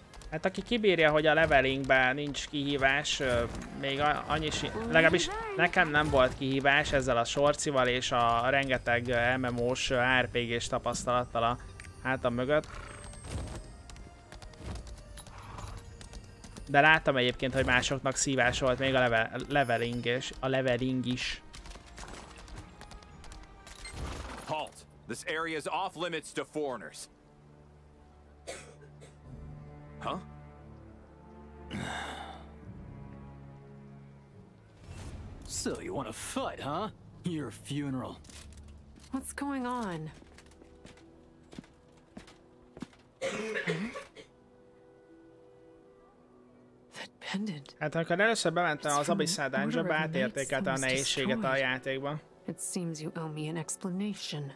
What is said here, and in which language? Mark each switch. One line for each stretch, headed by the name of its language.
Hungarian: Hát aki kibírja, hogy a levelingben nincs kihívás, még annyi legalábbis nekem nem volt kihívás ezzel a sorcival és a rengeteg MMO-s RPG-s tapasztalattal a hátam mögött. De láttam egyébként, hogy másoknak szívás volt még a leveling is. A leveling is.
English: Halt! This area is off limits to foreigners. Huh? So you want to fight, huh? Your funeral. What's going on? That pendant.
Hungarian: Hát amikor először bementem az Abyssal Dungeonba, átértékelte a nehézséget a játékba.
English: It seems you owe me an explanation.